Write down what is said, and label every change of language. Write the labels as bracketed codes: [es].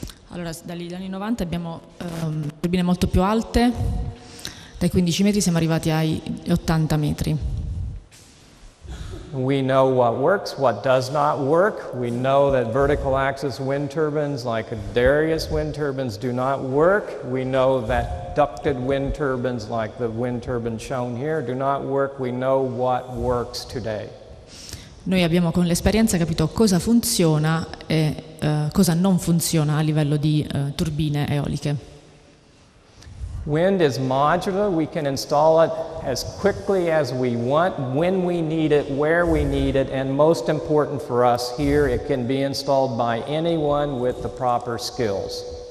[it] Allora, dagli anni 90 abbiamo turbine molto più alte, dai 15 metri siamo arrivati ai 80 metri. [en] We know what works, what does not work. We know that vertical axis wind turbines, like Darius wind turbines, do not work. We know that ducted wind turbines, like the wind turbine shown here, do not work. We know what works today. [it] Noi abbiamo con l'esperienza capito cosa funziona e cosa non funziona a livello di turbine eoliche. [en] Wind is modular. We can install it as quickly as we want, when we need it, where we need it, and most important for us here, it can be installed by anyone with the proper skills.